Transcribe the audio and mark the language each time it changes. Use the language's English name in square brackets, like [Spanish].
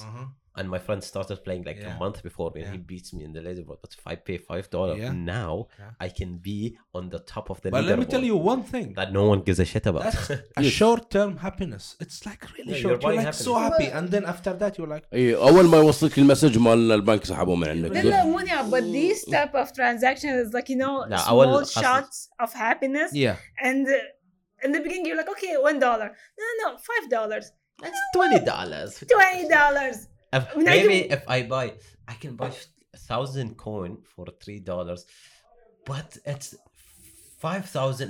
[English] uh-huh. and my friend started playing like yeah. a month before me yeah. and he beats me in the leaderboard, but if I pay $5 yeah. now, yeah. I can be on the top of the but But let me tell you one thing that no one gives a shit about. That's a short term happiness. It's like really yeah, short. You're like happiness. So happy, and then after that, you're like. [Arabic] أول ما وصلك المسج مال البنك سحبوا من عندك. لا مونيا, [English] but these type of transactions is like you know small shots of happiness. Happiness. Yeah. And in the beginning, you're like, okay, $1. No, $5. That's $20. $20. If I buy, I can buy 1,000 coin for $3, but it's 5,000.